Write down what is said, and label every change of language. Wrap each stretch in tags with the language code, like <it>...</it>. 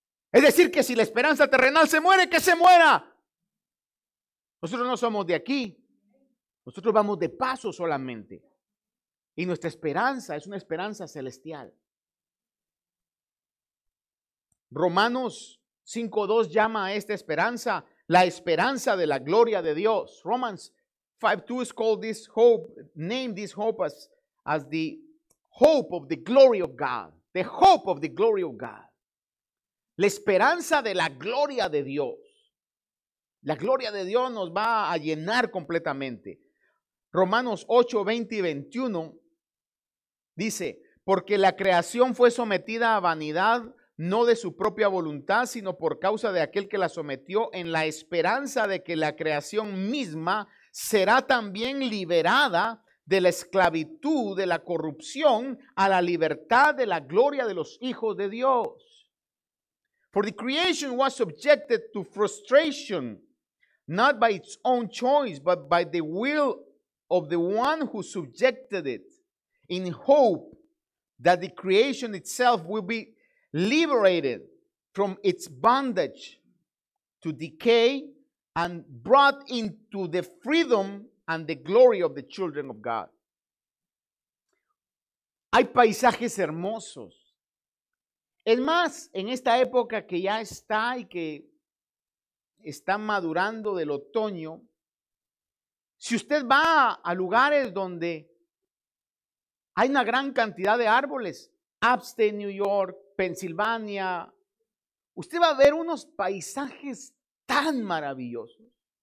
<es>Es decir, que si la esperanza terrenal se muere, que se muera. Nosotros no somos de aquí. Nosotros vamos de paso solamente. Y nuestra esperanza es una esperanza celestial. Romanos 5:2 llama a esta esperanza la esperanza de la gloria de Dios.</es> <en>Romans 5:2 is called this hope, named this hope as the hope of the glory of God. The hope of the glory of God.</en> <es>La esperanza de la gloria de Dios. La gloria de Dios nos va a llenar completamente. Romanos 8:20-21 dice, porque la creación fue sometida a vanidad, no de su propia voluntad, sino por causa de aquel que la sometió, en la esperanza de que la creación misma será también liberada de la esclavitud, de la corrupción, a la libertad de la gloria de los hijos de Dios.</es> <en>For the creation was subjected to frustration, not by its own choice, but by the will of the one who subjected it, in hope that the creation itself will be liberated from its bondage to decay and brought into the freedom and the glory of the children of God.</en> <es>Hay paisajes hermosos. Es más, en esta época que ya está y que está madurando del otoño, si usted va a lugares donde hay una gran cantidad de árboles, Upstate New York, Pensilvania, usted va a ver unos paisajes tan maravillosos.</es>